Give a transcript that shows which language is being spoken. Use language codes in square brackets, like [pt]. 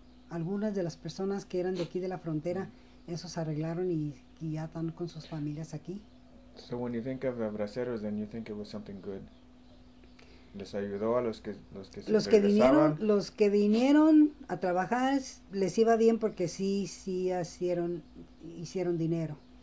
[es] Algunas de las personas que eran de aquí de la frontera, esos arreglaron y ya están con sus familias aquí. [en] So when you think of the braceros, then you think it was something good. [es] Les ayudó a los que vinieron a trabajar, les iba bien porque sí hicieron dinero.